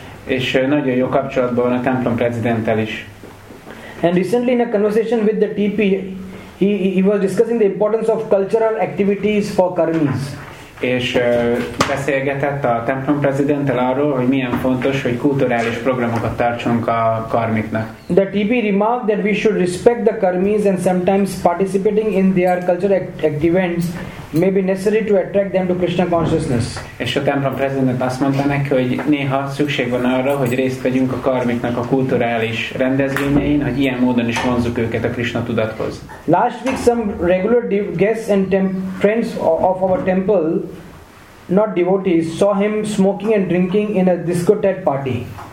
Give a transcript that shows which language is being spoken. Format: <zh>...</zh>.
<hu>És nagyon jó kapcsolatban van a templom prezidenttel is.</hu> <en>And recently in a conversation with the TP, he was discussing the importance of cultural activities for karmis.</en> <hu>És beszélgetett a templom prezidenttel arról, hogy milyen fontos, hogy kulturális programokat tartsunk a karmiknak.</hu> <en>The TP remarked that we should respect the karmis and sometimes participating in their cultural events may be necessary to attract them to Krishna consciousness.</en> <hu>És a templom prezident azt mondta neki, hogy néha szükség van arra, hogy részt vegyünk a karmiknak a kulturális rendezvényein, hogy ilyen módon is vonzuk őket a Krishna tudathoz.</hu> <en>Last week some regular guests and friends of our temple, not devotees, saw him smoking and drinking in a discotheque party.</en>